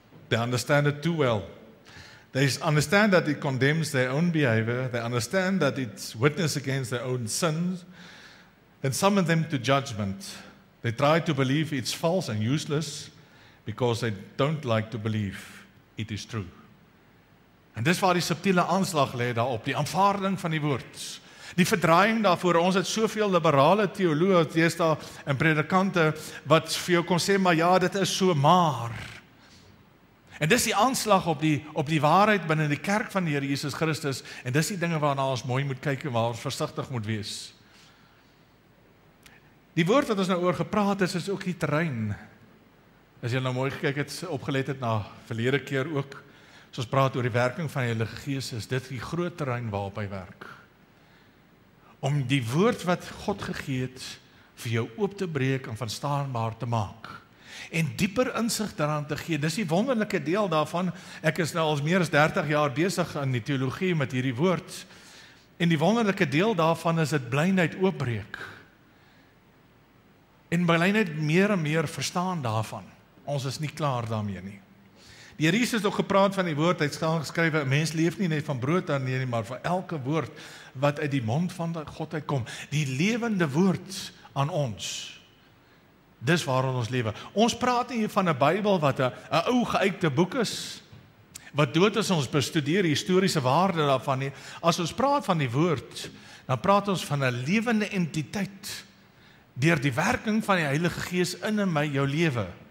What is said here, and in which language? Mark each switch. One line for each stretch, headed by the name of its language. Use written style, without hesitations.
English: They understand it too well. They understand that it condemns their own behavior. They understand that it's witness against their own sins and summon them to judgment. They try to believe it's false and useless because they don't like to believe it is true.
Afrikaans: En dis waar die subtiele aanslag lê daarop, die aanvaarding van die woord. Die verdraaiing daarvoor, ons het soveel liberale theoloë deesdae en predikante wat vir jou kon sê, maar ja, dit is so maar. En dis die aanslag op die waarheid binne die kerk van die Here Jesus Christus, en dis die dinge waarna ons mooi moet kyk en waar ons versigtig moet wees. Die woord wat ons nou oor gepraat is ook die terrein. As jy nou mooi gekyk het, opgelet het na verlede keer ook, soos praat oor die werking van die Heilige Gees, is dit die groot terrein waarop hy werk. Om die woord wat God gegee het vir jou oop te breek en verstaanbaar te maak. En dieper insig daaraan te gee. Dis die wonderlike deel daarvan. Ek is nou al meer as 30 jaar besig in die theologie met hierdie woord. En die wonderlike deel daarvan is het blindheid oopbreek. En blindheid meer en meer verstaan daarvan. Ons is nie klaar daarmee nie. Die Here Jesus het ook gepraat van die woord, hy het geskryf, mens leef nie net van brood aan nie, maar van elke woord wat uit die mond van God uitkom. Die lewende woord aan ons, dis waarom ons lewe. Ons praat nie van 'n Bybel wat 'n ou geëikte boek is, wat dood is ons bestudeer, die historiese waarde daarvan nie. As ons praat van die woord, dan praat ons van 'n lewende entiteit, deur die werking van die Heilige Gees in en my jou lewe.